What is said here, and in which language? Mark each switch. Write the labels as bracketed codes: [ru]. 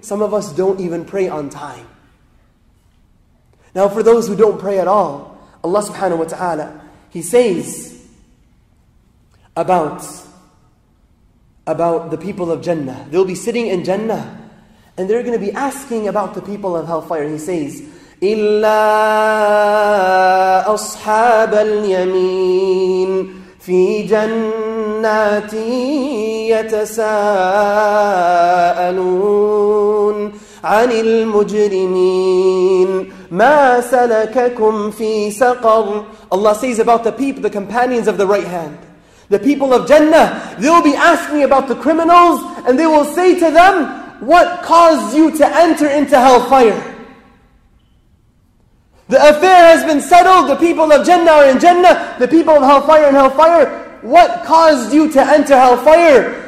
[en] Some of us don't even pray on time. Now, for those who don't pray at all, Allah subhanahu wa ta'ala, He says about the people of Jannah. They'll be sitting in Jannah and they're going to be asking about the people of hellfire. He says, [ar] إِلَّا أَصْحَابَ الْيَمِينَ فِي جَنَّاتٍ يَتَسَاءَلُونَ عَنِ الْمُجْرِمِينَ مَا سَلَكَكُمْ فِي سَقَرْ. [en] Allah says about the people, the companions of the right hand, the people of Jannah, they'll be asking about the criminals and they will say to them, what caused you to enter into hellfire? The affair has been settled, the people of Jannah are in Jannah, the people of hellfire in hellfire, what caused you to enter hellfire?